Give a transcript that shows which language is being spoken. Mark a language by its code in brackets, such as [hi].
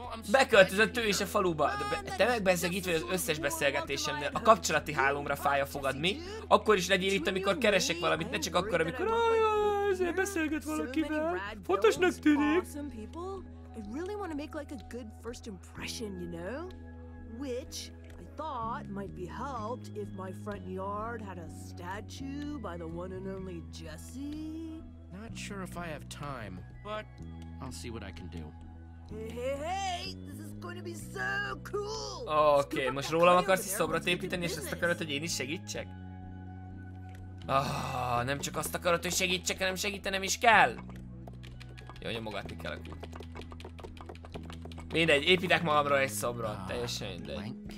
[hu] Beköltözött ő is a faluba. Te megbezzeg itt vagy az összes beszélgetésemnél. A kapcsolati hálómra fáj a fogad, mi? Akkor is legyél itt, amikor keresek valamit, ne csak akkor, amikor... Ezért beszélget valakivel. Fontosnak tűnik. [en] I really want to make like a good first impression, you know? Which I thought might be helped if my front yard had a statue by the one and only Jesse. Not sure if I have time, but I'll see what I can do. Hey, this is going to be so cool. [hu] Okay, most rólam akarsz egy szobrot építeni, és azt akarod, hogy én is segítsek? Nem csak azt akarod, hogy segítsek, hanem segítenem is kell. Jó, nyomogatni kell a kút. Mindegy, építek magamról egy szobrot, teljesen mindegy.